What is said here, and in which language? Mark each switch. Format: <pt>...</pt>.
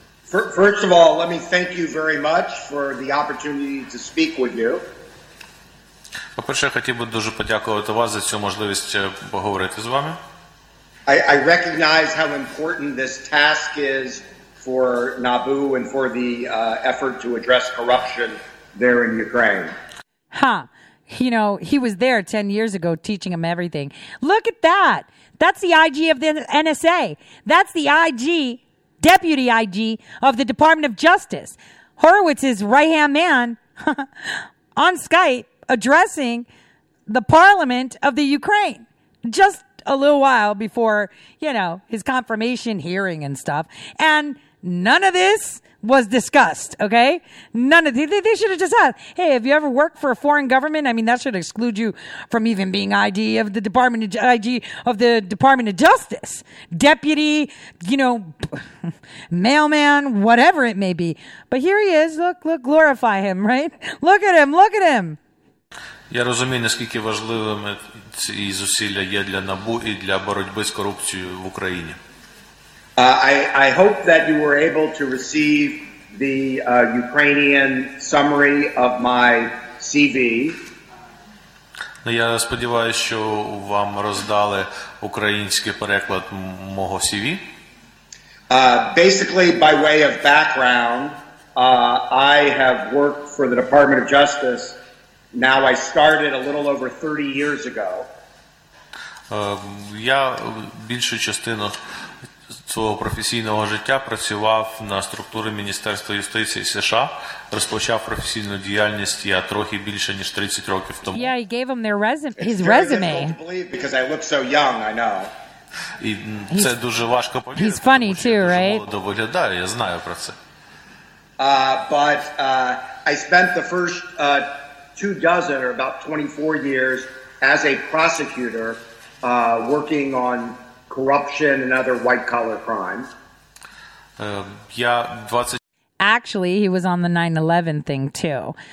<en>First of all, let me thank you very much for the opportunity to speak with you.</en> <uk>По-перше, хотів би дуже подякувати вас за цю можливість поговорити з вами.</uk> <en>I recognize how important this task is for NABU and for the effort to address corruption there in Ukraine. Huh. You know, he was there 10 years ago teaching him everything. Look at that. That's the IG of the NSA. That's the IG, deputy IG of the Department of Justice. Horowitz's right-hand man on Skype addressing the Parliament of the Ukraine. Just a little while before, you know, his confirmation hearing and stuff. And none of this was discussed, okay? None of they should have just asked, hey, have you ever worked for a foreign government? I mean, that should exclude you from even being ID of the Department of IG of the Department of Justice. Deputy, you know, mailman, whatever it may be. But here he is. Look, glorify him, right? Look at him.</en> <uk>Я розумію, наскільки важливими ці зусилля є для НАБУ і для боротьби з корупцією в Україні.</uk> <en>I hope that you were able to receive the Ukrainian summary of my CV.</en> <uk>Я сподіваюся, що вам роздали український переклад мого CV.</uk> <en>Basically, by way of background, I have worked for the Department of Justice. Now I started a little over 30 years ago.</en> <uk>Я більшу частину свого професійного життя працював на структури Міністерства юстиції США, розпочав професійну діяльність я трохи більше ніж 30 років тому.</uk> <en>Yeah, he gave him their resume. His resume. It's very difficult to believe because I look so young, I know.</en> <uk>І це дуже важко повірити.</uk> <en>He's funny too, right?</en> <uk>Тому що я дуже молодо виглядаю, я знаю про це.</uk> <en>But I spent the first two dozen or about 24 years as a prosecutor working on corruption and other white-collar crimes. Actually, he was on the 9/11 thing too.</en>